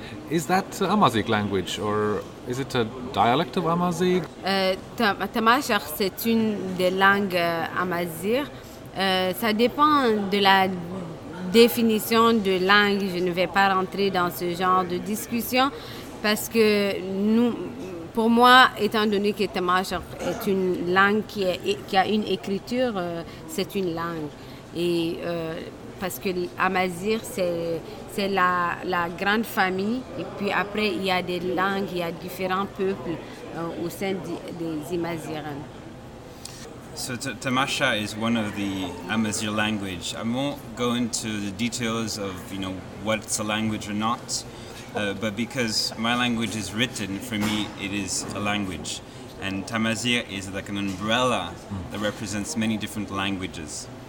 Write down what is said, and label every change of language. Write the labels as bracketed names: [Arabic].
[English] Is that Amazigh language or is it a dialect of Amazigh? [French] Tamashak, c'est une des langues Amazigh. Ça dépend de la définition de langue. Je ne vais pas rentrer dans ce genre de discussion parce que nous, pour moi, étant donné que Tamashak est une langue qui a une écriture, c'est une langue. Et parce que l'Amazigh, c'est la grande famille. Et puis après, il y a des langues, il y a différents peuples au sein des Amazighs. [English] So Tamasha is one of the Amazigh language. I won't go into the details of, you know, what's a language or not. But because my language is written, for me, it is a language. And Tamazir is like an umbrella that represents many different languages.